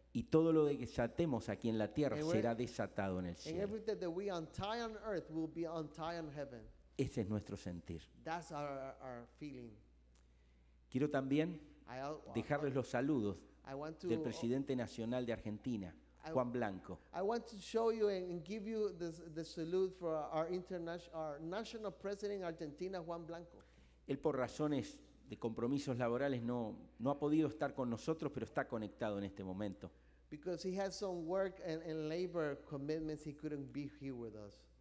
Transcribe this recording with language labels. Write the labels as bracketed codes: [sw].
[es] Y todo lo que atemos aquí en la tierra será desatado en el cielo. [en] And everything that we untie on earth will be untied on heaven. [es] Ese es nuestro sentir. [en] That's our feeling. [es] Quiero también dejarles los saludos del presidente nacional de Argentina, Juan Blanco. [en] I want to show you and give you the salute for our national president Argentina, Juan Blanco. [es] Él por razones de compromisos laborales no ha podido estar con nosotros, pero está conectado en este momento. [en] Because he has some work and labor commitments, he couldn't be here with us.